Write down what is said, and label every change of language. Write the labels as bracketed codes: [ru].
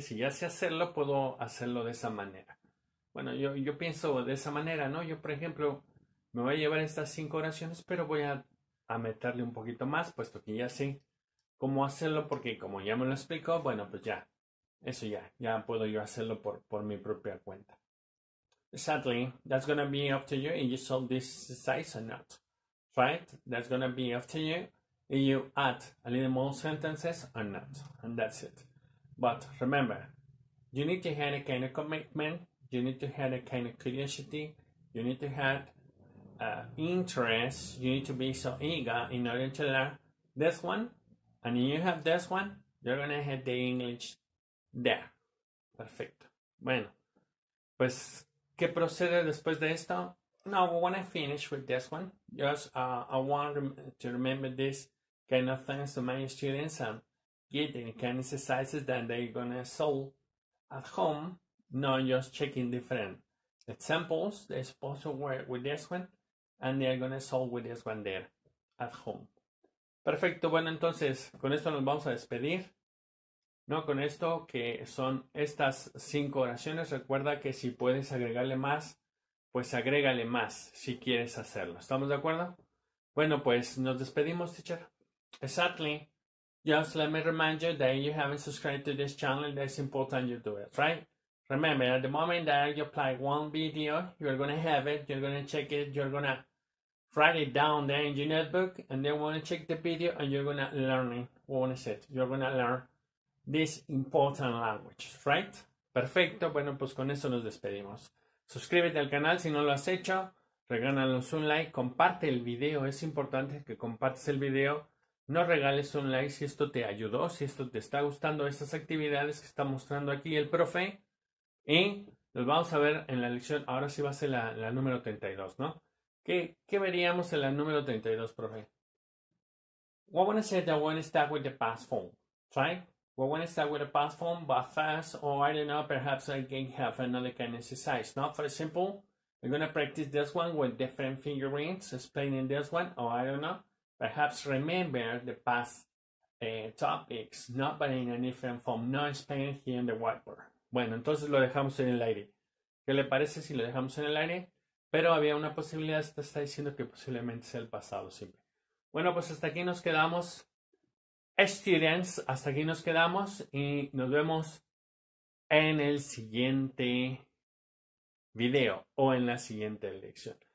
[es] Si ya sé hacerlo, puedo hacerlo de esa manera. Bueno, yo pienso de esa manera, ¿no? Yo, por ejemplo, me voy a llevar estas 5 oraciones, pero voy a meterle un poquito más, puesto que ya sé cómo hacerlo, porque como ya me lo explicó, bueno, pues ya, eso ya, ya puedo yo hacerlo por mi propia cuenta. [en] Sadly, that's gonna be up to you if you solve this size or not. Right? That's gonna be up to you if you add a little more sentences or not. And that's it. But remember, you need to have a kind of commitment, you need to have a kind of curiosity, you need to have interest, you need to be so eager in order to learn this one. And if you have this one, you're gonna have the English there. [es] Perfecto. Bueno, pues, ¿qué procede después de esto? [en] No, we wanna finish with this one. Just I want to remember this kind of things to my students and get any kind of exercises that they're gonna solve at home, not just checking different examples. They're supposed to work with this one and they're gonna solve with this one there at home. [es] Perfecto, bueno, entonces con esto nos vamos a despedir. No, con esto que son estas cinco oraciones, recuerda que si puedes agregarle más, pues agrégale más si quieres hacerlo. ¿Estamos de acuerdo? Bueno, pues nos despedimos, teacher. [en] Exactly. Just let me remind you that if you haven't subscribed to this channel, that's important you do it, right? Remember, at the moment that you apply one video, you're gonna have it, you're gonna check it, you're gonna write it down there in your notebook, and then you wanna check the video and you're gonna learn it. What is it? You're gonna learn this important language, right? [es] Perfecto, bueno, pues con eso nos despedimos. Suscríbete al canal si no lo has hecho, regálanos un like, comparte el video, es importante que compartas el video. No regales un like si esto te ayudó, si esto te está gustando, estas actividades que está mostrando aquí el profe. Y nos vamos a ver en la lección, ahora sí va a ser la número 32, ¿no? ¿Qué veríamos en la número 32, profe? [en] We want to say that we want to start with the past form, right? We want to start with the past form, but first, or I don't know, perhaps I can have another kind of exercise. Now, for example, we're going to practice this one with different figurines, explaining this one, or I don't know. Perhaps remember the past topics, not but in a different form, not explained here in the whiteboard. [es] Bueno, entonces lo dejamos en el aire. ¿Qué le parece si lo dejamos en el aire? Pero había una posibilidad, usted está diciendo que posiblemente sea el pasado simple. Bueno, pues hasta aquí nos quedamos. Students, hasta aquí nos quedamos y nos vemos en el siguiente video o en la siguiente lección.